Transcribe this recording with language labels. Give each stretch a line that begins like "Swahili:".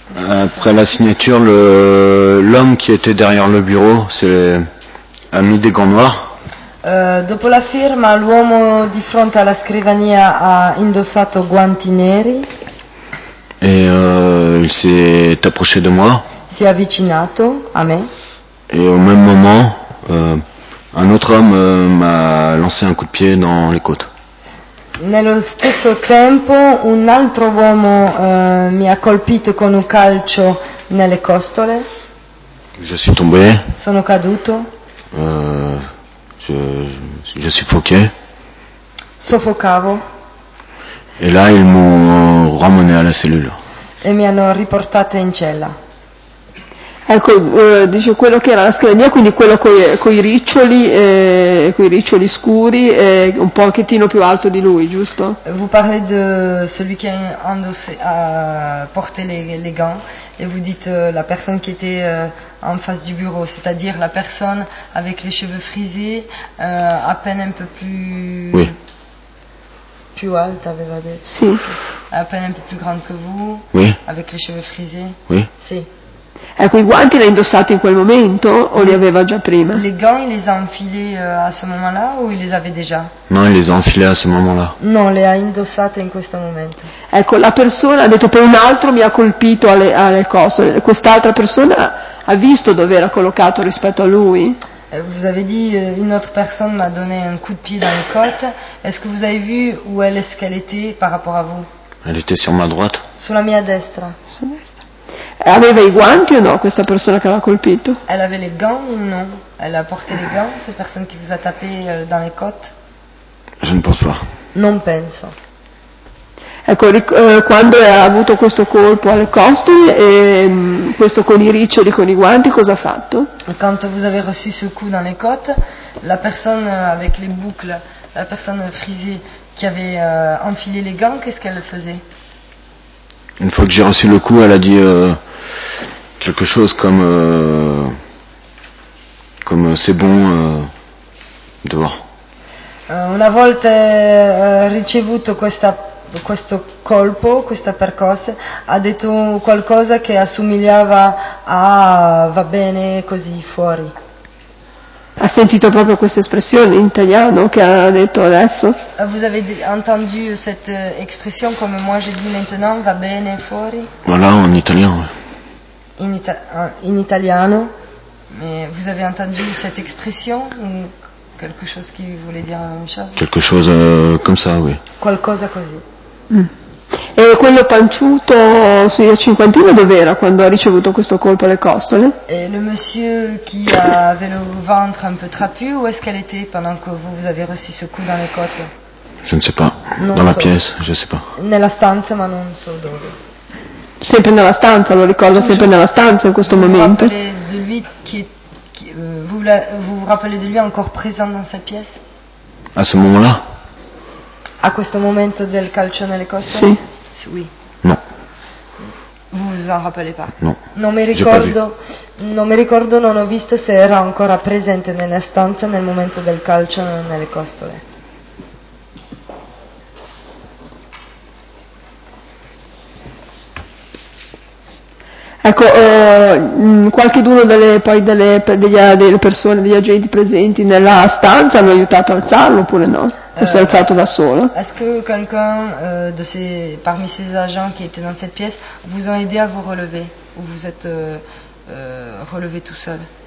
French: Après la signature, l'homme qui était derrière le bureau, c'est ami des gants noirs.
Italian: Dopo la firma, l'uomo di fronte alla scrivania ha indossato guanti neri. E il si è
French: approché de moi.
Italian: Si è avvicinato a me.
French: E au même moment, un autre homme m'a lancé un coup de pied dans les côtes.
Italian: Nello stesso tempo, un altro uomo mi ha colpito con un calcio nelle costole.
French: Je suis tombé.
Italian: Sono caduto.
French: Je suffoquais.
Italian: Soffocavo.
French: Et là, ils m'ont ramené à la cellule.
Italian: E mi hanno riportata in cella. Ecco, dice quello che era la scrivania, quindi quello coi riccioli scuri, un pochettino più alto di lui, giusto?
French: Vous parlez de celui qui a porté les gants et vous dites la personne qui était en face du bureau, c'est-à-dire la personne avec les cheveux frisés, à peine un peu plus... Oui.
Italian: Più alta, aveva detto. Sì.
French: À peine un peu plus grande que vous. Oui. Avec les cheveux frisés. Oui.
Italian: Sì. Ecco, i guanti li ha indossati in quel momento o li aveva già prima?
French: Les gants, il les a enfilés à ce moment-là ou il les avait déjà? Non, il les a enfilés à ce moment-là.
Italian: Non, le ha indossate in questo momento. Ecco, la persona ha detto, poi un altro mi ha colpito alle costole. Quest'altra persona ha visto dove era collocato rispetto a lui?
French: Vous avez dit, une autre personne m'a donné un coup de pied dans les côtes. Est-ce que vous avez vu où elle est-ce qu'elle était par rapport à vous? Elle était sur ma droite.
Italian: Sulla mia destra. Aveva i guanti o no questa persona che l'ha colpito?
French: Elle avait les gants ou non? Elle a porté les gants, cette personne qui vous a tapé dans les côtes? Je ne pense pas.
Italian: Non penso. Ecco, quando ha avuto questo colpo alle costole, questo con i riccioli, con i guanti, cosa ha fatto?
French: Quando vous avez reçu ce coup dans les côtes, la personne avec les boucles, la personne frisée qui avait enfilé les gants, qu'est-ce qu'elle faisait? Une fois que j'ai reçu le coup, elle a dit quelque chose comme c'est bon, dehors.
Italian: Una volta ricevuto questo colpo, questa percosse, ha detto qualcosa che assomigliava a va bene così fuori. Ha sentito proprio questa espressione in italiano che ha detto adesso?
French: Vous avez entendu cette expression comme moi je dis maintenant
Italian: va bene fuori?
French: Voilà, en italien.
Italian: In italiano?
French: Mais vous avez entendu cette expression ou quelque chose qui voulait dire la même chose? Quelque chose comme ça, oui.
Italian: Qualcosa così. E quello panciuto sui cinquantini dov'era quando ha ricevuto questo colpo alle costole?
French: E le monsieur qui avait le ventre un peu trapu, où est-ce qu'elle était pendant que vous avez reçu ce coup dans les côtes? Je ne sais pas.
Italian: Non
French: dans
Italian: so.
French: La pièce, je sais pas.
Italian: Nella stanza, ma non so dove. Sempre nella stanza, lo ricorda sempre nella stanza in questo momento.
French: Vous vous rappelez de lui encore présent dans sa pièce? À ce moment-là?
Italian: A questo momento del calcio nelle costole? Sì. Sì. No.
French: Vous vous en rappelez pas? Non.
Italian: Non, mi ricordo. Non mi ricordo, non ho visto se era ancora presente nella stanza nel momento del calcio nelle costole. Ecco, qualcheduno delle poi delle, delle persone, degli agenti presenti nella stanza hanno aiutato a alzarlo oppure no? O si è alzato da solo?
French: Est-ce que quelqu'un de ces parmi ces agents qui étaient dans cette pièce vous ont aidé à vous relever ou vous êtes relevé tout seul?